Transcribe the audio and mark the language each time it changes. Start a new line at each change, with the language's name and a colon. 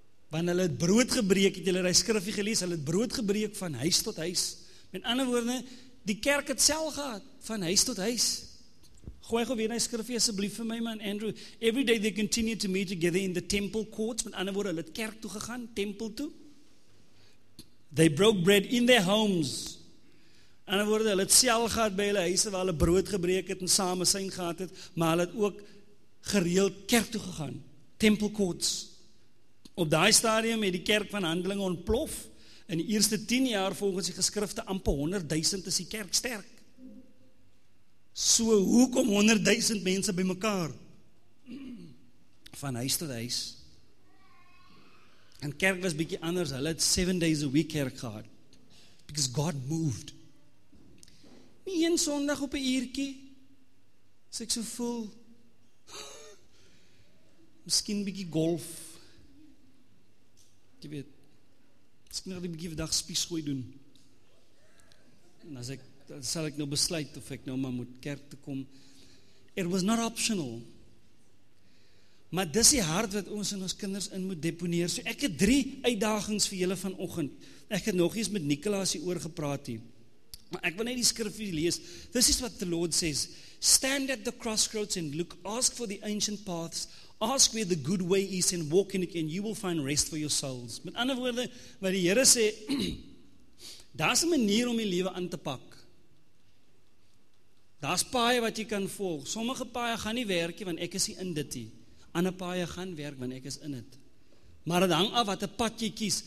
Afrikaans: Want hulle het brood gebreek, het julle daai skrifgie gelees, hulle het brood gebreek van huis tot huis. Met ander woorde, die kerk het sel gehad van huis tot huis. Gooi gou weer na die skrifgie asseblief vir my man Andrew.
English: Every day they continue to meet together in the temple courts.
Afrikaans: Met ander woorde, hulle het kerk toe gegaan, tempel toe.
English: They broke bread in their homes.
Afrikaans: Met ander woorde, hulle het sel gehad by hulle huise waar hulle brood gebreek het en same syn gehad het, maar hulle het ook gereeld kerk toe gegaan, temple courts. Op daai stadium het die kerk van Handelinge ontplof. In die eerste 10 jaar volgens die geskrifte amper 100,000 is die kerk sterk. So, hoekom 100,000 mense by mekaar? Van huis tot huis. En kerk was bietjie anders, hulle het
English: 7 days a week
Afrikaans: kerk gehad.
English: Because God moved.
Afrikaans: Nie een Sondag op 'n uurtjie, as ek so voel. Miskien bietjie golf. Jy weet, miskien nog die bietjie vandag spies gooi doen. En as ek sal ek nou besluit of ek nou maar moet kerk te kom.
English: It was not optional.
Afrikaans: Maar dis die hart wat ons in ons kinders in moet deponeer. So ek het 3 uitdagings vir julle vanoggend. Ek het nog eens met Nicolaas hier oor gepraat hier. Maar ek wil net die skrif hier lees.
English: This is what the Lord says. Stand at the crossroads and look. Ask for the ancient paths. Ask where the good way is and walk in it, and you will find rest for your souls.
Afrikaans: Met ander woorde, wat die Here sê, daar's 'n manier om die lewe aan te pak. Daar's paaie wat jy kan volg. Sommige paaie gaan nie werk nie, want ek is nie in dit nie. Ander paaie gaan werk, want ek is in dit. Maar dit hang af wat 'n pad jy kies.